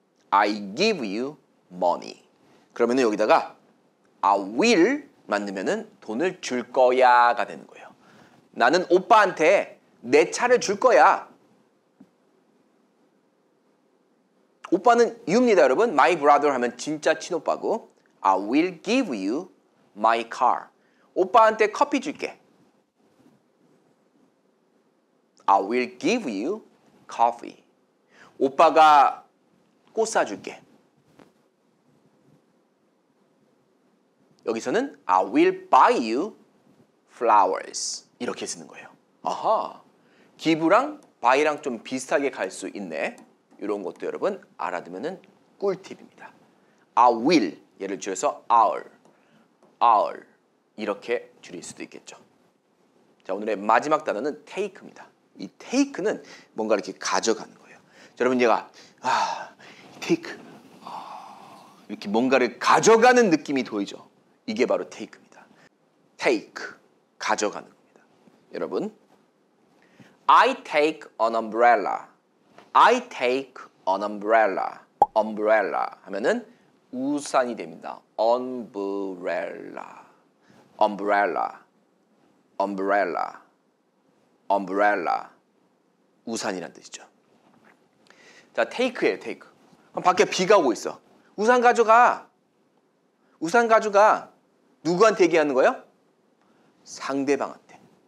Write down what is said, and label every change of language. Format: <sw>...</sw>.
<en>I give you money.</en> <ko>그러면 여기다가 I will 만들면 돈을 줄 거야 가 되는 거예요. 나는 오빠한테 내 차를 줄 거야. 오빠는 이웁니다 여러분.</ko> <en>My brother</en> <ko>하면 진짜 친오빠고</ko> <en>I will give you my car. 오빠한테 커피 줄게. I will give you coffee.</en> <ko>오빠가 꽃 사줄게. 여기서는</ko> <en>I will buy you flowers.</en> <ko>이렇게 쓰는 거예요. 아하, give랑 buy랑 좀 비슷하게 갈 수 있네. 이런 것도 여러분 알아두면 꿀팁입니다. I will, 예를 줄여서 I'll 이렇게 줄일 수도 있겠죠. 자, 오늘의 마지막 단어는 take입니다. 이 take는 뭔가 이렇게 가져가는 거예요. 자, 여러분 얘가 take 이렇게 뭔가를 가져가는 느낌이 도이죠. 이게 바로 take입니다. take, 가져가는 겁니다.</ko> <en>여러분, I take an umbrella. I take an umbrella.</en> <ko>umbrella 하면은 우산이 됩니다.</ko> <en>umbrella. umbrella. umbrella. umbrella.</en> <ko>우산이란 뜻이죠. 자, take예요, take. 그럼 밖에 비가 오고 있어. 우산 가져가. 우산 가져가. 누구한테 얘기하는 거예요? 상대방한테.</ko>